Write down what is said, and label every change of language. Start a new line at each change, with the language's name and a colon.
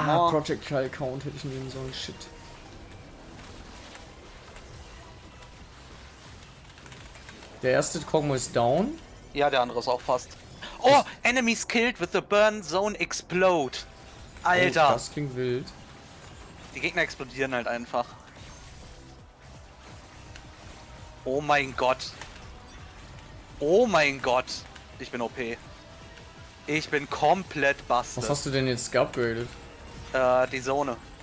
German: Project Kill Count hätte ich nehmen sollen, shit. Der erste Kog'Maw ist down. Ja, der andere ist auch fast.
English: Oh, enemies killed with the burn zone explode.
German: Alter. Oh, das klingt wild. Die Gegner explodieren halt einfach. Oh mein Gott. Oh mein Gott. Ich bin OP. Ich bin komplett busted. Was hast du denn jetzt geupgradet? Die Zone.